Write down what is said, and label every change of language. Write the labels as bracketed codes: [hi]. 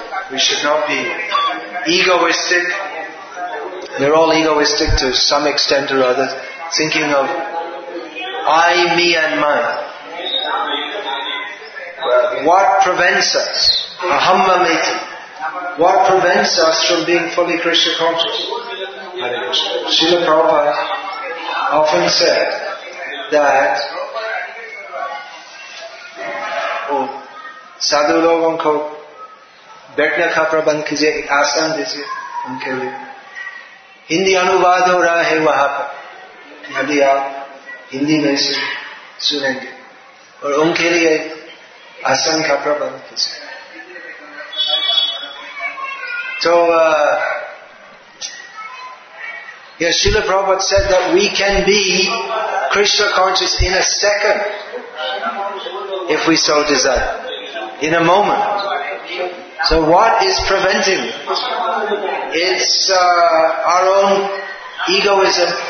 [en] We should not be egoistic. We're all egoistic to some extent or other, thinking of I, me and mine. What prevents us? Ahamma meti. What prevents us from being fully Krishna conscious? [hi] Srila Prabhupada [en] often said that [hi] साधु लोगों को बैठने का प्रबंध कीजिये, एक आसन दीजिये उनके लिए. हिंदी अनुवाद हो रहा है वहाँ पर, यदि आप हिंदी में से सुनेंगे, और उनके लिए आसन का प्रबंध कीजिये. [en] So yes, Srila Prabhupada said that we can be Krishna conscious in a second if we so desire. In a moment. So what is preventing? It's our own egoism.